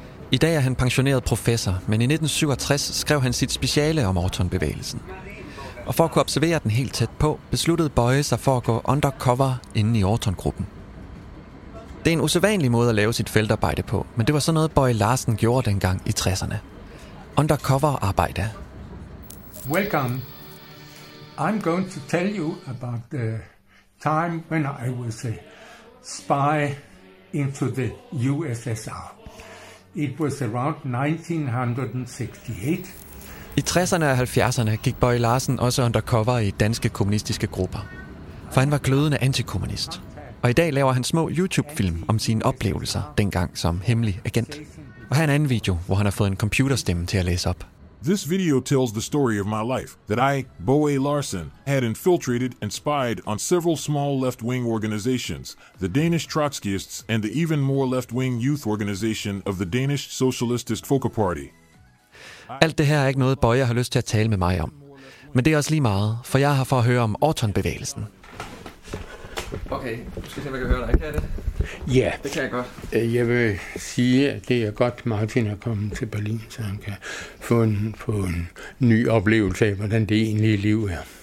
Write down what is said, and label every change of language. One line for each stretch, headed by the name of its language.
Danish: I dag er han pensioneret professor, men i 1967 skrev han sit speciale om Orton-bevægelsen. Og for at kunne observere den helt tæt på, besluttede Bøje sig for at gå undercover inde i Orton-gruppen. Det er en usædvanlig måde at lave sit feltarbejde på, men det var sådan noget, Bøje Larsen gjorde dengang i 60'erne. Undercover-arbejde.
English: Welcome. I'm going to tell you about the time when I was a spy into the USSR. It was around 1968.
Danish: I 60'erne og 70'erne gik Bøje Larsen også undercover i danske kommunistiske grupper. For han var glødende antikommunist. Og i dag laver han små YouTube-film om sine oplevelser dengang som hemmelig agent. Og her er en anden video, hvor han har fået en computerstemme til at læse op.
English: This video tells the story of my life that I, Bøje Larsen, had infiltrated and spied on several small left-wing organizations, the Danish Trotskyists and the even more left-wing youth organization of the Danish Socialistisk Folkeparti.
Danish: Alt det her er ikke noget Bøje har lyst til at tale med mig om. Men det er også lige meget, for jeg har for at høre om Orton-bevægelsen. Okay, måske se, om jeg kan høre dig. Ja, det kan jeg godt. Jeg vil sige, at det er godt, Martin er kommet til Berlin, så han kan få en ny oplevelse af, hvordan det egentlige liv er.